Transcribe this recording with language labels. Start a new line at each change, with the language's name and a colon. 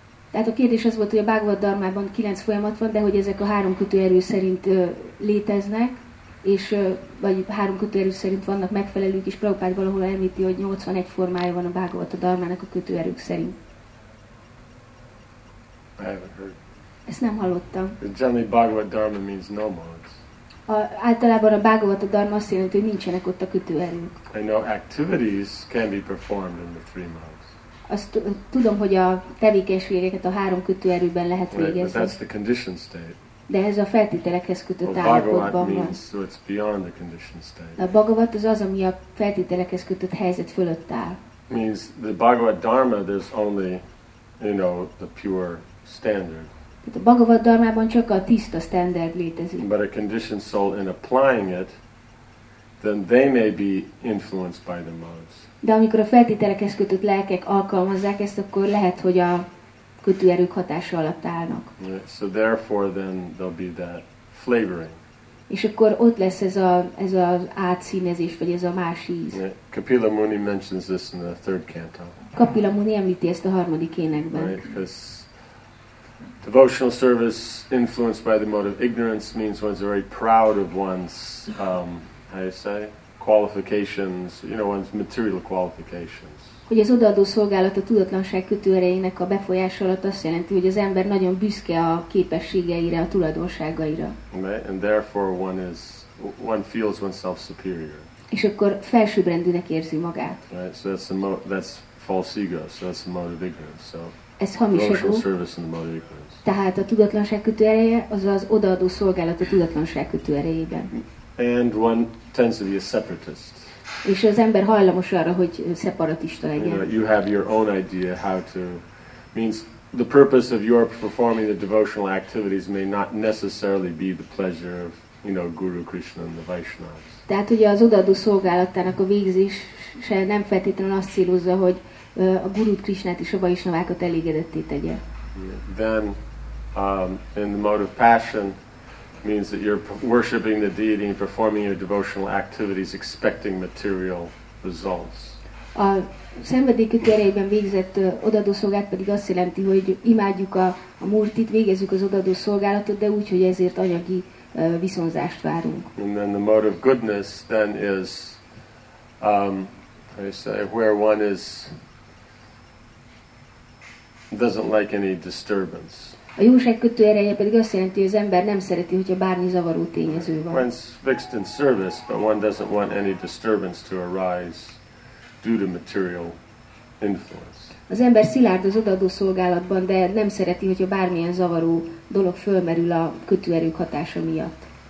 Hungarian: Tehát a kérdés az volt, hogy a Bhagavad Dharmában 9 folyamat van, de hogy ezek a három kötőerő szerint léteznek, és vagy három kötőerő szerint vannak megfelelők, és Prabhupád valahol említi, hogy 81 formája van a Bhagavad Dharmának a kötőerők szerint.
English: I haven't heard.
Hungarian: Ezt nem hallottam.
English: Generally, Bhagavad Dharma means no modes.
Hungarian: Általában a Bhagavad Dharma azt jelenti, hogy nincsenek ott a kötőerők.
English: I know activities can be performed in the three modes.
Hungarian: Azt tudom, hogy a tevékenységeket a három kötőerőben lehet végezni.
English: But that's the condition state.
Hungarian: De ez a feltételekhez kötött állapotban van.
English: So it's beyond the condition state.
Hungarian: A Bhagavat az az, ami a feltételekhez kötött helyzet fölött áll.
English: Means the Bhagavad Dharma there's only, you know, the pure standard.
Hungarian: Tehát a Bhagavat Dharmában csak a tiszta standard létezik.
English: But a conditioned soul in applying it, then they may be influenced by the modes.
Hungarian: De amikor a feltételekhez kötött lelkek alkalmazzák ezt, akkor lehet, hogy a kötőerők hatása alatt állnak.
English: Yeah, so therefore then there'll be that flavoring.
Hungarian: És akkor ott lesz ez a átszínezés, vagy ez a más íz.
English: Yeah, Kapila Muni mentions this in the third canto.
Hungarian: Kapila Muni említi ezt a harmadik énekben.
English: Right, because devotional service influenced by the mode of ignorance means one's very proud of one's, how you say, qualifications, you know, one's material qualifications.
Hungarian: Hogy az odaadó szolgálat a tudatlanság kötőereinek a befolyása alatt azt jelenti, hogy az ember nagyon büszke a képességeire, a tulajdonságaira.
English: And therefore one is, one feels oneself superior.
Hungarian: És akkor felsőbbrendűnek érzi magát.
English: Right, so that's, that's false ego, so that's the mode of ignorance. So
Hungarian: ez hamis ego. Tehát a tudatlanság kötőereje az az odaadó szolgálat a tudatlanság kötőerejében.
English: And one tends to be a separatist.
Hungarian: És az ember hajlamos arra, hogy szeparatista legyen.
English: You know, you have your own idea how to, means the purpose of your performing the devotional activities may not necessarily be the pleasure of, you know, Guru Krishna and the Vaishnavas.
Hungarian: Tehát ugye az odaadó szolgálatának a végzése nem feltétlenül azt célozza, hogy a Guru Krishnát és a Vaishnavákat elégedetté tegye.
English: Yeah. Then, in the mode of passion, means that you're worshiping the deity and performing your devotional activities expecting material results.
Hungarian: A szenvedély kötőerejében végzett odaadó szolgálat pedig azt jelenti, hogy imádjuk a Murtit, végezzük az odaadó szolgálatot, de úgy, hogy ezért anyagi viszonzást várunk.
English: And then the mode of goodness then is, how do you say, where one is, doesn't like any disturbance.
Hungarian: A jóság kötő ereje pedig azt jelenti, hogy az ember nem szereti, hogyha bármi zavaró tényező van.
English: One's fixed in service, but one doesn't want any disturbance to arise due to material influence.
Hungarian: Az ember szilárd az odaadó szolgálatban, de nem szereti, hogyha bármilyen zavaró dolog fölmerül a kötőerők hatása miatt.